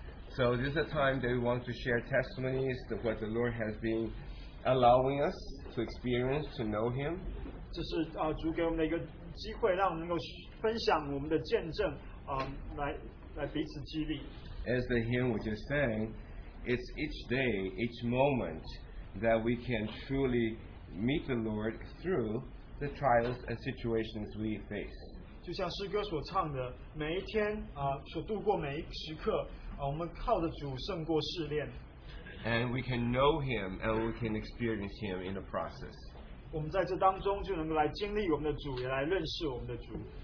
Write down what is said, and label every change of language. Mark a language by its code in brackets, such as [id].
[en] So this is a time that we want to share testimonies of what the Lord has been allowing us to experience, to know Him. [zh] 这是主给我们的一个机会，让我们能够分享我们的见证，来彼此激励。 [en] As the hymn was just saying, it's each day, each moment that we can truly meet the Lord through the trials and situations we face. [zh] 就像诗歌所唱的，每一天，所度过每一时刻，我们靠着主胜过试炼。 [en] And we can know Him and we can experience Him in the process. [zh] 我们在这当中就能够来经历我们的主，也来认识我们的主。